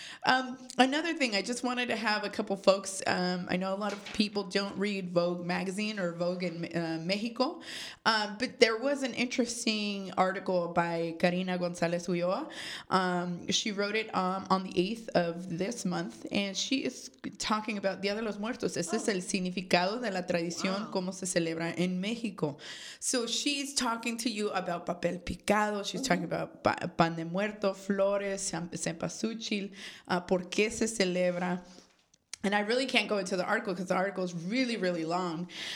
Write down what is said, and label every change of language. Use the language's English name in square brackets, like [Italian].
[English] Another thing, I just wanted to have a couple folks. I know a lot of people don't read Vogue magazine or Vogue in Mexico. But there was an interesting article by Karina González Ulloa. She wrote it on the 8th of this month. And she is talking about Día de los Muertos. [Spanish] Este es el significado de la tradición, cómo se celebra en México. [English] So she's talking to you about papel picado. She's talking about pan de muerto, flores, cempasúchil, [Spanish] por qué se celebra. [English] And I really can't go into the article because the article is really, really long.